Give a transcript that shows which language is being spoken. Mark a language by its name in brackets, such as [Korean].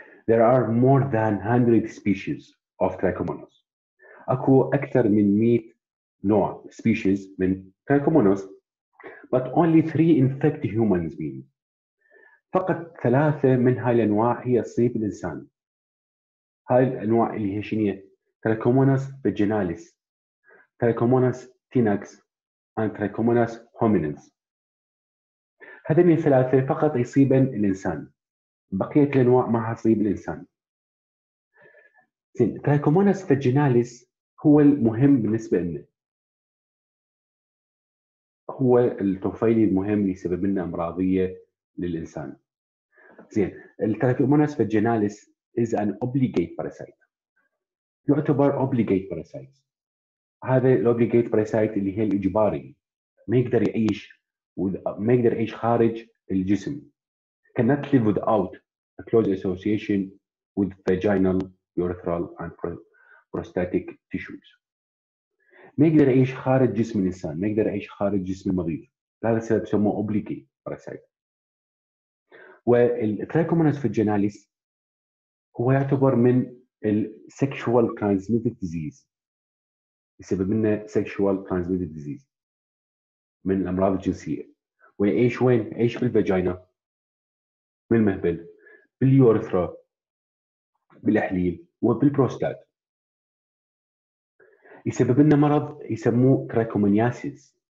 [English] There are more than 100 species of trichomonas. [Arabic] أكو أكثر من 100 نوع species من trichomonas. [English] But only 3 infect humans. [Arabic] فقط 3 من هاي الأنواع هي تصيب الإنسان. هاي الأنواع اللي هي شنية؟ trichomonas vaginalis, trichomonas tinax, and trichomonas hominans. هذين الثلاثة فقط يصيبن الإنسان. بقية الأنواع ما هتصيب الإنسان. زين، ترايكومونس فاجيناليس هو المهم بالنسبة لنا. هو الطفيلي المهم اللي يسبب لنا أمراضية للإنسان. [English] زين، trichomonas vaginalis is an obligate parasite. [Arabic] يعتبر obligate parasite. هذا الobligate parasite اللي هي الإجباري. ما يقدر يعيش ما يقدر يعيش خارج الجسم. [English] Cannot live without a close association with vaginal, urethral and prostatic tissues. [Arabic] ما يقدر يعيش خارج جسم الإنسان، ما يقدر يعيش خارج جسم المريض. لهذا السبب يسموه obligate parasite. والترايكومونس فاجيناليس هو يعتبر من ال sexual transmitted disease. يسبب لنا sexual transmitted disease. من الأمراض الجنسية. ويعيش وين؟ يعيش بالفاجينا، بالمهبل، باليورثرا، بالأحليل، وبالبروستات. يسبب لنا مرض يسموه تراكومنياسيس.